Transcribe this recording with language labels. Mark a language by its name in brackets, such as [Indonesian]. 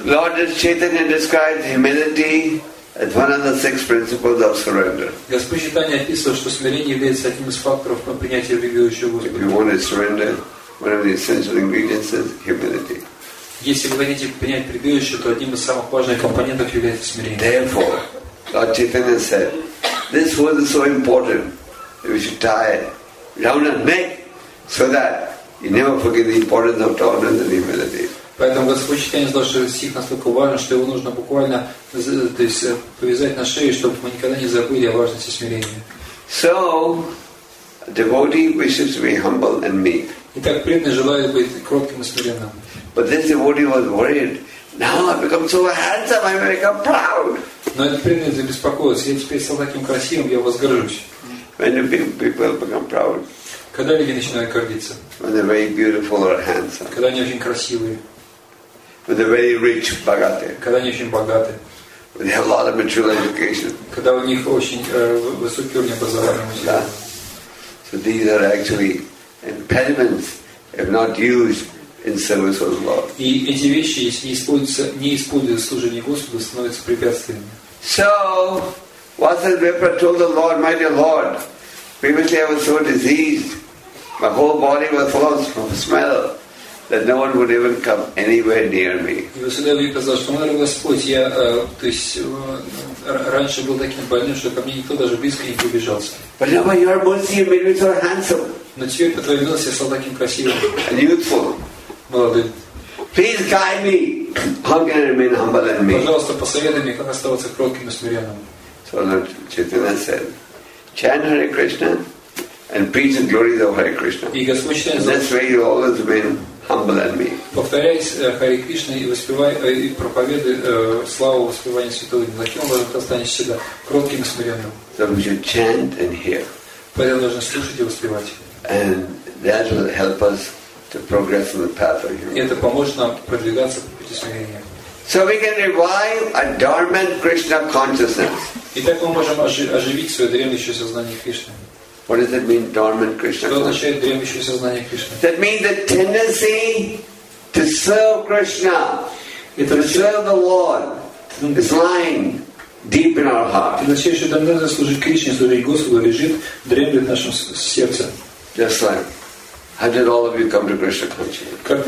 [English] Lord Chaitanya describes humility as one of the six principles of surrender. [Russian] Господь Чайтанья описывал, что смирение является одним из факторов принятия религиозного Господа. [English] If you want to surrender, one of the essential ingredients is humility. [Russian] Если вы хотите принять прибежище, то одним из самых важных компонентов является смирение. [English] Therefore, Lord Chaitanya said, this word is so important that we should tie it round our neck so that you never forget the importance of tolerance and humility. [Russian] Поэтому Господь Чайтанья сказал, что стих настолько важен, что его нужно буквально, то есть, повязать на шею, чтобы мы никогда не забыли о важности смирения. [English] So, a devotee wishes to be humble and meek. [Russian] Итак, преданный желает быть кротким и смиренным. [English] But this devotee was worried Now I become so handsome, I become proud. [Russian] Но это принято забеспокоиться. Я теперь стал таким красивым, я возгоржусь. [English] When people become proud. [Russian] Когда люди начинают гордиться? [English] When they're very beautiful or handsome. [Russian] Когда они очень красивые. [English] When they're very rich, [Russian] богатые. Когда они очень богаты. [English] When they have a lot of material education. [Russian] Когда у них очень высокий уровень образования. [English] So these are actually impediments if not used in service of the Lord. [Russian] И эти вещи, если не используются в служении Господу, становятся препятствиями. [English] So, Vasudeva Vipra told the Lord, "My dear Lord, previously I was so diseased, my whole body was full of smell, that no one would even come anywhere near me." [Russian] И Vasudeva Vipra сказал, что, мой Господь, я, то есть, раньше был таким больным, что ко мне никто даже близко не приближался. [English] But now by Your mercy, You made me so handsome. [Russian] Но теперь по Твоей милости я стал таким красивым. [English] And youthful. [Russian] Молодым. [English] Please guide me. How can I remain humble and meek? [Russian] Пожалуйста, посоветуй мне, как оставаться кротким и смиренным. [English] So Lord Chaitanya said, chant Hare Krishna and preach the glories of Hare Krishna. [Russian] И Господь Chaitanya. [English] That's why you always been humble and meek. [Russian] Повторяй Хари Кришна и воспевай и проповедуй славу воспевания святого имени. Таким образом, ты останешься всегда кротким и смиренным. [English] So we should chant and hear. [Russian] Поэтому нужно слушать и воспевать. [English] And that will help us to progress on the path of humility. [Russian] Это поможет нам продвигаться по пути смирения. [English] So we can revive a dormant Krishna consciousness. [Russian] И так мы можем оживить свое дремлющее сознание Кришны. [English] What does it mean, dormant Krishna consciousness? [Russian] Что означает дремлющее сознание Кришны? [English] That means the tendency to serve Krishna, to serve the Lord, is lying deep in our heart. [Russian] Это означает, что тенденция служить Кришне, служить Господу, лежит, дремлет в нашем сердце. [English] Just like, how did all of you come to Krishna consciousness?